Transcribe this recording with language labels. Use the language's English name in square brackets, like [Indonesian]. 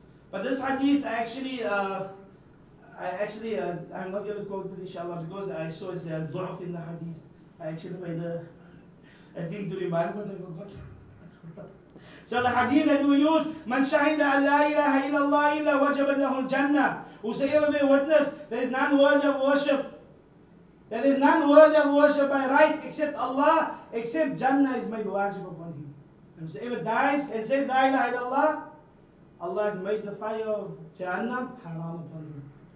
[English] But this hadith I'm not going to quote it, inshallah, because I saw it's a du'uf in the hadith. I didn't remind what I forgot. [Arabic] So the hadith that we use, من شهد أن لا إله إلا الله إلا وجب له الجنة. [English] Whosoever may witness, there is none worthy of worship. There is none worthy of worship by right except Allah, except Jannah is made wajib upon him. And whosoever dies and says, [Arabic] لا إله إلا الله, [English] Allah has made the fire of Jahannam haram upon him.